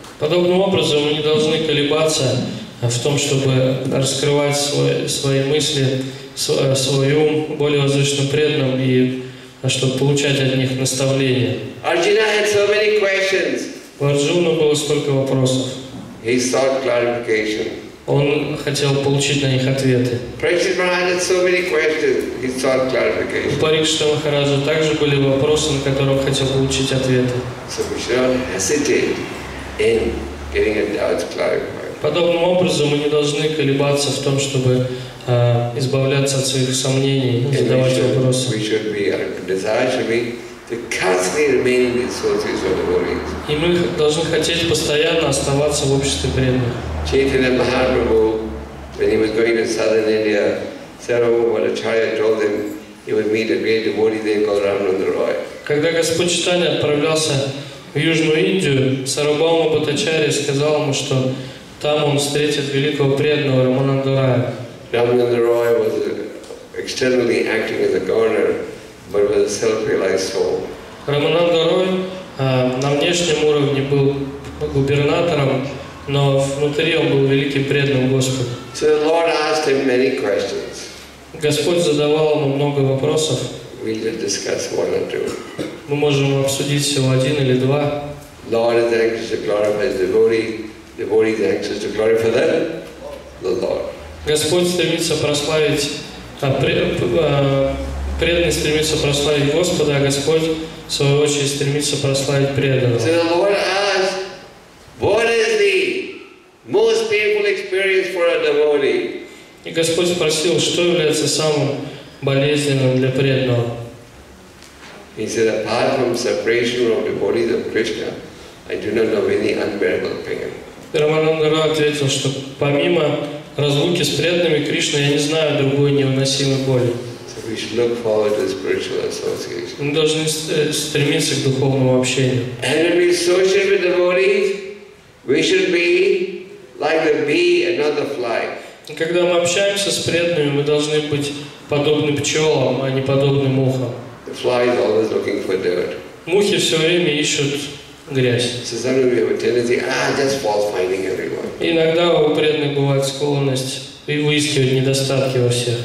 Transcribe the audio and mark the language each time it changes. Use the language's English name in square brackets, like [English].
[Russian] Подобным образом, мы не должны колебаться в том, чтобы раскрывать свои мысли, свой ум более возвышенно преданным и чтобы получать от них наставления. [English] Arjuna had so many questions. [Russian] У Арджуны было столько вопросов. [English] He sought clarification. [Russian] Он хотел получить на них ответы. [English] Prakshit Maharaj had so many questions, he sought clarification. [Russian] У Парикшита Махараджа также были вопросы, на которые он хотел получить ответы. [English] So we should not hesitate in getting a doubt clarified. [Russian] Подобным образом мы не должны колебаться в том, чтобы избавляться от своих сомнений, задавать вопросы. [English] We should be, our desire should be to constantly remain in the associates of the devotees. [Russian] И мы должны хотеть постоянно оставаться в обществе преданных. [English] Chaitanya Mahaprabhu, when he was going to southern India, Sarvabhaumacharya told him he would meet a great devotee there called Ramananda Roy. [Russian] Когда Господь Чайтанья отправлялся в Южную Индию, Сарвабхаумапатачарья сказал ему, что там он встретит великого преданного Рамананда Роя. [English] Ramananda Roy was externally acting as a governor, but was a self-realized soul. [Russian] Ramananda Roy на внешнем уровне был губернатором, но внутри он был великим преданным Господу. [English] So the Lord asked him many questions. [Russian] Господь задавал ему много вопросов. [English] We will discuss one or two. [Russian] Мы можем обсудить всего один или два. [English] Lord is anxious to glorify his devotee. Devotee is anxious to glorify them. The Lord. [Russian] Господь стремится прославить, преданный стремится прославить Господа, а Господь, в свою очередь, стремится прославить преданного. [English] So the Lord asks, what is the most painful experience for a devotee? [Russian] И Господь спросил, что является самым болезненным для преданного. [English] He said, apart from separation of the body of Krishna, I do not know any unbearable pain. [Russian] Рамананда Рао ответил, что помимо разлуки с преданными Кришны, я не знаю другой невыносимой боли. [English] So we should look forward to spiritual association. [Russian] Мы должны стремиться к духовному общению. [English] And when we associate with devotees, we should be like a bee and not a fly. [Russian] Когда мы общаемся с преданными, мы должны быть подобны пчелам, а не подобны мухам. [English] The fly is always looking for dirt. [Russian] Мухи все время ищут грязь. [English] So sometimes we have a tendency, just fault finding everyone. [Russian] Иногда у преданных бывает склонность выискивать недостатки во всех.